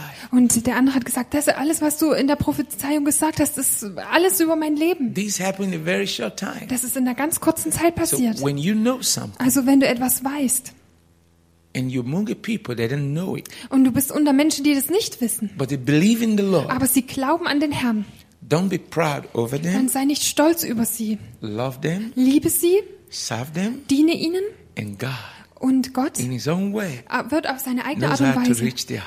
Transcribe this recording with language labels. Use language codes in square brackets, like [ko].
[de] Und der andere hat gesagt, das alles, was du in der Prophezeiung gesagt hast, ist alles über mein Leben. [en] This happened in a very short time. [de] Das ist in einer ganz kurzen Zeit passiert. [en] So when you know something, [de] also wenn du etwas weißt, [en] and you're among people that don't know it. [de] Und du bist unter Menschen, die das nicht wissen. [en] But they believe in the Lord. [de] Aber sie glauben an den Herrn. [en] Don't be proud over them. [de] Dann sei nicht stolz über sie. [en] Love them. [de] Liebe sie. [en] Serve them. [de] Diene ihnen. [en] And God. [de] Und Gott [en] in his own way [de] wird auf seine eigene Art und Weise.